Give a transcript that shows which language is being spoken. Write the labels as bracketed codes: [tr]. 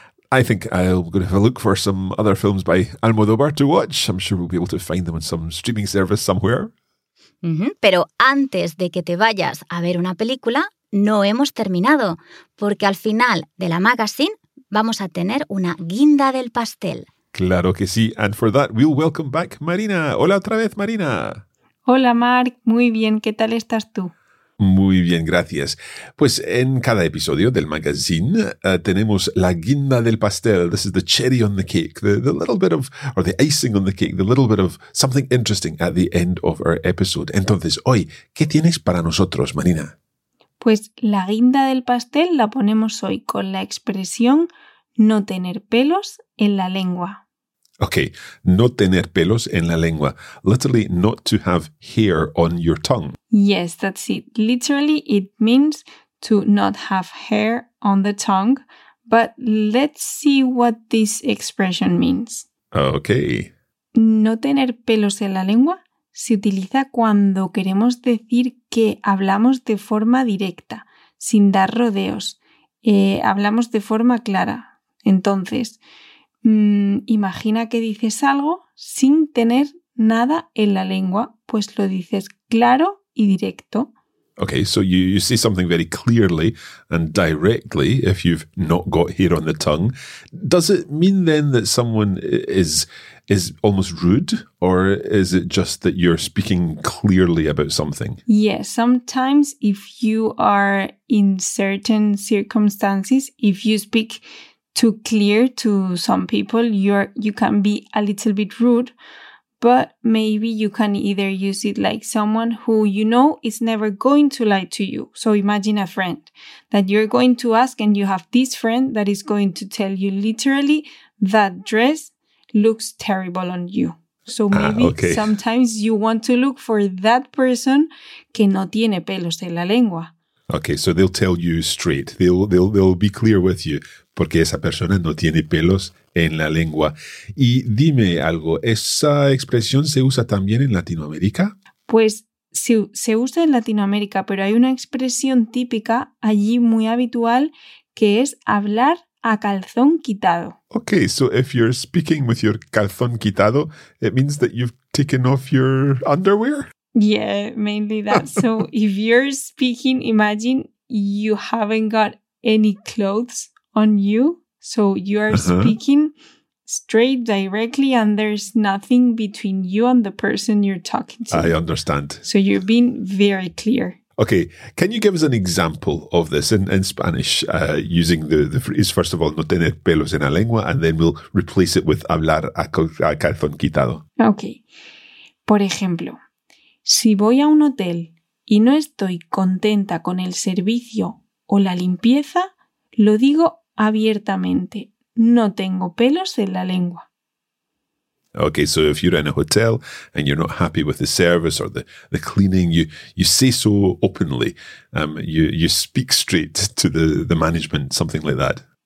[en] I think I'm going to have a look for some other films by Almodóvar to watch. I'm sure we'll be able to find them on some streaming service somewhere. Mm-hmm. [es] Pero antes de que te vayas a ver una película, no hemos terminado, porque al final de la magazine vamos a tener una guinda del pastel. Claro que sí. [en] And for that, we'll welcome back Marina. [es] Hola otra vez, Marina. Hola, Marc. Muy bien. ¿Qué tal estás tú? Muy bien, gracias. Pues en cada episodio del magazine tenemos la guinda del pastel. [en] This is the cherry on the cake, the little bit of, or the icing on the cake, the little bit of something interesting at the end of our episode. [es] Entonces, hoy, ¿qué tienes para nosotros, Marina? Pues la guinda del pastel la ponemos hoy con la expresión no tener pelos en la lengua. Okay, no tener pelos en la lengua. [en] Literally, not to have hair on your tongue. Yes, that's it. Literally, it means to not have hair on the tongue. But let's see what this expression means. Okay. [es] No tener pelos en la lengua se utiliza cuando queremos decir que hablamos de forma directa, sin dar rodeos. Hablamos de forma clara. Entonces, imagina que dices algo sin tener nada en la lengua, pues lo dices claro y directo. [en] Okay, so you say something very clearly and directly if you've not got hair on the tongue. Does it mean then that someone is almost rude, or is it just that you're speaking clearly about something? Yes, sometimes if you are in certain circumstances, if you speak too clear to some people, you can be a little bit rude, but maybe you can either use it like someone who you know is never going to lie to you. So imagine a friend that you're going to ask, and you have this friend that is going to tell you literally that dress looks terrible on you. So maybe sometimes you want to look for that person [es] que no tiene pelos en la lengua. [en] Okay, so they'll tell you straight. They'll be clear with you. [es] Porque esa persona no tiene pelos en la lengua. Y dime algo, ¿esa expresión se usa también en Latinoamérica? Pues sí, se usa en Latinoamérica, pero hay una expresión típica allí muy habitual que es hablar a calzón quitado. [en] Okay, so if you're speaking with your calzón quitado, it means that you've taken off your underwear? Yeah, mainly that. So if you're speaking, imagine you haven't got any clothes on you, so you are speaking straight, directly, and there's nothing between you and the person you're talking to. I understand. So you've been very clear. Okay, can you give us an example of this in Spanish, using the phrase, first of all, [es] no tener pelos en la lengua, [en] and then we'll replace it with [es] hablar a calzón quitado. Okay, por ejemplo, si voy a un hotel y no estoy contenta con el servicio o la limpieza, lo digo abiertamente, no tengo pelos en la lengua. [en] Okay, so if you're in a hotel and you're not happy with the service or the cleaning, you say so openly. You speak straight to the management, something like that.